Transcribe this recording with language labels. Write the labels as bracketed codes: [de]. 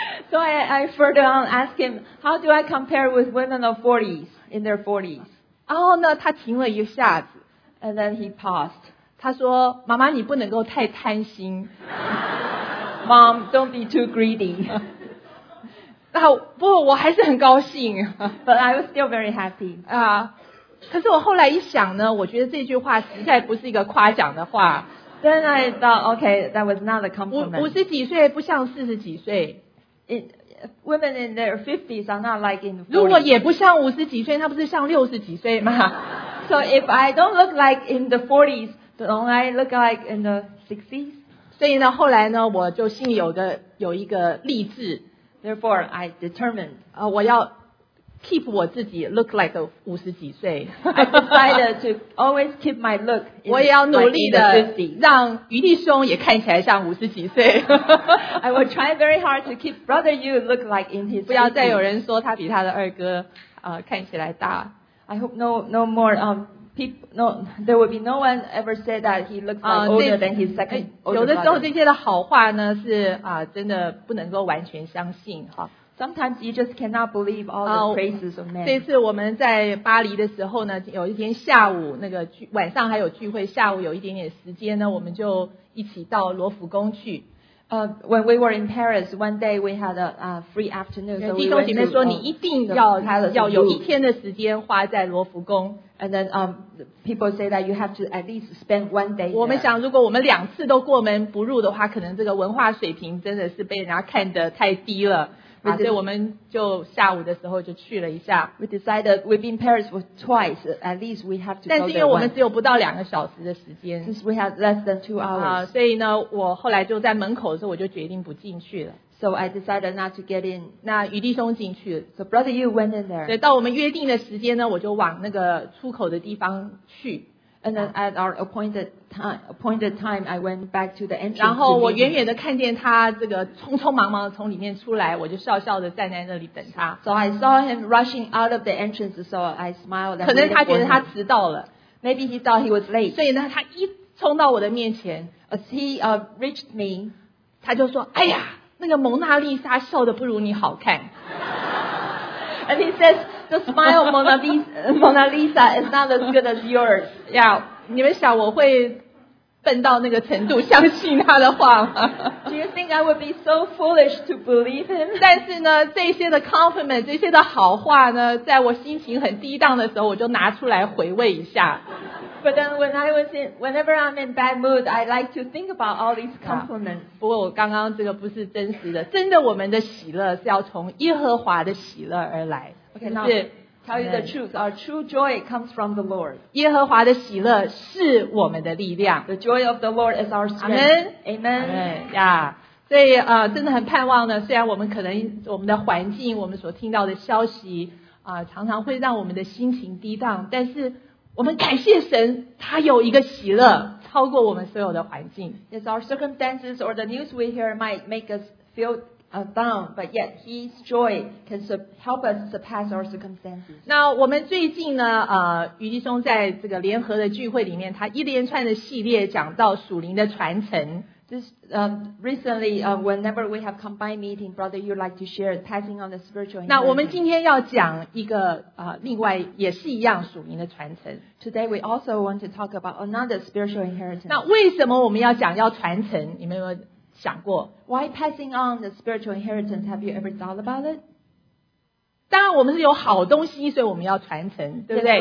[en] So I further on ask him, how do I compare with women of 40s, in their 40s? [zh] 然后呢，他停了一下子。 [en] And then he paused. [zh] 他说，妈妈，你不能够太贪心。 [en] Mom, don't be too greedy. [zh] 那不，我还是很高兴。 [en] But I was still very happy. [zh] 可是我后来一想呢，我觉得这句话实在不是一个夸奖的话。 [en] Then I thought, okay, that was not a compliment. [zh] 50几岁不像40几岁。 [en] Women in their 50s are not like in 40s. [zh] 如果也不像50几岁，那不是像60几岁吗？ [en] So if I don't look like in the 40s, don't I look like in the 60s? [zh] 所以呢，后来呢，我就心里有一个励志。 [en] Therefore, I determined. [zh] 我要 keep 我自己 [en] look like [zh] 50几岁。 [en] I decided to always keep my look in [zh] 我也要努力的让余弟兄也看起来像50几岁。 [en] I will try very hard to keep Brother Yu look like in his [zh] 不要再有人说他比他的二哥看起来大。 [en] I hope no more there will be no one ever say that he looks like older than his second older brother. [zh] 有的时候这些的好话呢是真的不能够完全相信哈。 [en] Sometimes you just cannot believe all the praises of men. [zh] 这次我们在巴黎的时候呢，有一天下午那个晚上还有聚会，下午有一点点时间呢，我们就一起到罗浮宫去。 [en] When we were in Paris, one day we had a free afternoon. [zh] 弟兄姐妹说你一定要有一天的时间花在罗浮宫。 [en] And then people say that you have to at least spend one day. [zh] 我们想如果我们两次都过门不入的话，可能这个文化水平真的是被人家看得太低了。所以我们就下午的时候就去了一下。 [en] We decided we've been Paris for twice. At least we have to. [zh] 但是因为我们只有不到两个小时的时间。 [en] Since we have less than 2 hours. [zh] 所以呢，我后来就在门口的时候，我就决定不进去了。 [en] So I decided not to get in. [zh] 那余弟兄进去了。 [en] So Brother Yu went in there. [zh] 对，到我们约定的时间呢，我就往那个出口的地方去。 [en] And then at our appointed time, I went back to the entrance. [zh] 然后我远远的看见他这个匆匆忙忙的从里面出来，我就笑笑的站在那里等他。 [en] So I saw him rushing out of the entrance, so I smiled. [zh] 可能他觉得他迟到了。 [en] Maybe he thought he was late. [zh] 所以呢，他一冲到我的面前 [en] ，as he reached me, [zh] 他就说：“哎呀，那个蒙娜丽莎笑得不如你好看。” [en] And he says. The smile of Mona Lisa is not as good as yours. [zh] Yeah, 你们想我会笨到那个程度相信他的话吗 [en] ？Do you think I would be so foolish to believe him? [zh] 但是呢，这些的 compliment， 这些的好话呢，在我心情很低档的时候，我就拿出来回味一下。 [en] But then whenever I'm in bad mood, I like to think about all these compliments. [zh] 不过我刚刚这个不是真实的，真的我们的喜乐是要从耶和华的喜乐而来。 [en] Okay, now tell you the truth. Our true joy comes from the Lord. [zh] 耶和华的喜乐是我们的力量。 [en] The joy of the Lord is our strength. Amen. Amen. Yeah. [zh] 所以真的很盼望呢。虽然我们可能我们的环境，我们所听到的消息常常会让我们的心情低荡，但是我们感谢神，他有一个喜乐超过我们所有的环境。 [en] Yes, our circumstances or the news we hear might make us feel. Down, but yet His joy can help us surpass our circumstances. [zh] 那我们最近呢，余弟兄在这个联合的聚会里面，他一连串的系列讲到属灵的传承。 [en] Recently, whenever we have combined meeting, Brother, you like to share passing on the spiritual. [zh] 那我们今天要讲一个另外也是一样属灵的传承。 [en] Today we also want to talk about another spiritual inheritance. [zh] 那为什么我们要讲要传承？你们有？想过 [en] Why passing on the spiritual inheritance? Have you ever thought about it? [zh] 当然我们是有好东西所以我们要传承对不对